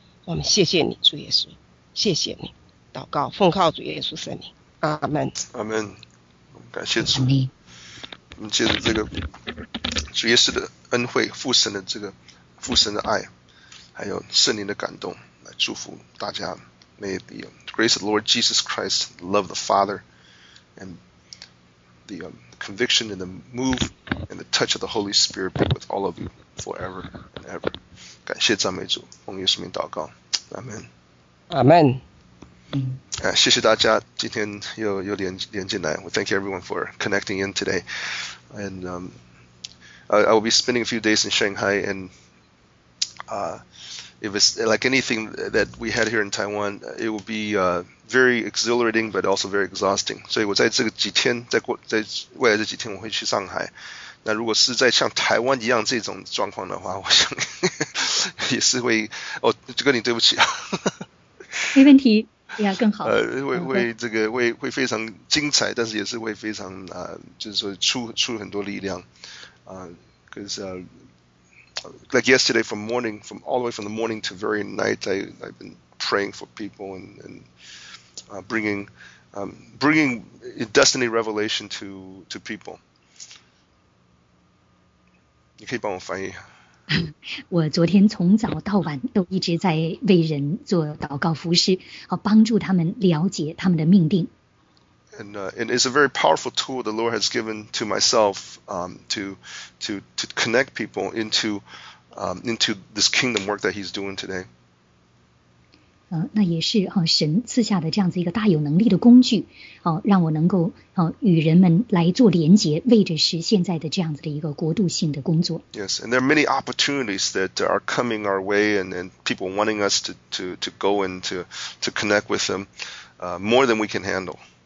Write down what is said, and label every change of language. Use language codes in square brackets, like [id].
[zh] 我们谢谢你主耶稣，谢谢你，祷告奉靠主耶稣圣名，阿们阿们。感谢主，我们借着这个主耶稣的恩惠，父神的这个父神的爱，还有圣灵的感动，来祝福大家。 [en] May the grace of the Lord Jesus Christ, love of the Father, and the conviction and the move and the touch of the Holy Spirit be with all of you forever and ever. [zh] 感谢赞美主，奉耶稣名祷告， Amen. [en] Amen. [zh] 谢谢大家今天又连进来。 [en] We thank everyone for connecting in today. And I will be spending a few days in Shanghai. And if it's like anything that we had here in Taiwan, it will be very exhilarating, but also very exhausting. [zh] 所以我在这个几天，在未来这几天，我会去上海。那如果是在像台湾一样这种状况的话，我想也是会哦，就跟你对不起啊，没问题，呀，更好。会这个会非常精彩，但是也是会非常就是说出很多力量啊，可是。 [en] Like yesterday from morning, from all the way from the morning to very night, I've been praying for people and bringing destiny revelation to people. [zh] 你可以帮我翻译。我昨天从早到晚都一直在为人做祷告服事，好帮助他们了解他们的命定。 [en] And it's a very powerful tool the Lord has given to myself to connect people into this kingdom work that He's doing today. [zh] 那也是神赐下的这样子一个大有能力的工具，让我能够与人们来做连结，为着是现在的这样子的一个国度性的工作。 [en] Yes, and there are many opportunities that are coming our way, and people wanting us to go and to connect with them more than we can handle.